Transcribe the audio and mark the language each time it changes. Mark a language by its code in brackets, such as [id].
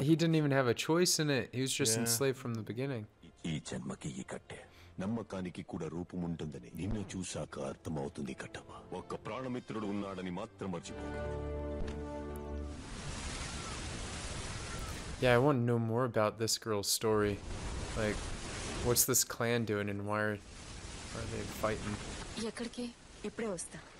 [en] He didn't even have a choice in it. He was just enslaved from the beginning. [te] Ee janmaki ee katte నమ్మకానికి కూడా రూపం ఉంటుందని నిన్ను చూశాక అర్థమవుతుంది కట్టప్ప. ఒక్క ప్రాణమిత్రుడు ఉన్నాడని మాత్రం మర్చిపోకు. [en] Yeah, I want to know more about this girl's story. Like, what's this clan doing and why are they fighting? [te] ఎక్కడికి ఇప్పుడే వస్తా.